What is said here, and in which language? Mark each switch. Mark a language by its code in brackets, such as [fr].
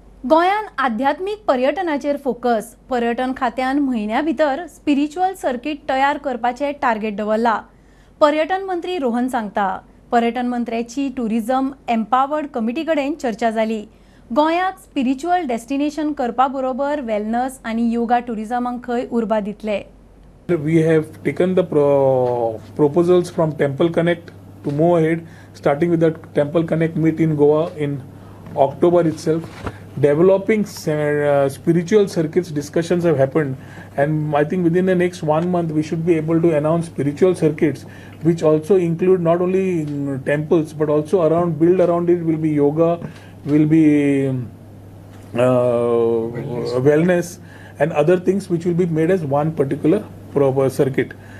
[kok] गोंयान आध्यात्मीक पर्यटनाचेर फोकस. पर्यटन खात्यान म्हयन्या भितर स्पिरिच्युअल सर्कीट तयार करपाचे टार्गेट दवरला. पर्यटन मंत्री रोहन सांगता. पर्यटन मंत्र्याची ट्युरिझम एम्पावर्ड कमिटी कडेन चर्चा जाली. गोंयाक स्पिरिच्युअल डेस्टिनेशन करपा बरोबर वेलनस आनी योगा ट्युरिझमाक खंय उर्बा दितले. [en] We have taken the proposals from temple connect to move ahead starting with the temple connect meet in Goa in October itself. Developing spiritual circuits discussions have happened, and I think within the next 1 month we should be able to announce spiritual circuits which also include not only temples but also around, build around it will be yoga, will be wellness and other things which will be made as one particular proper circuit.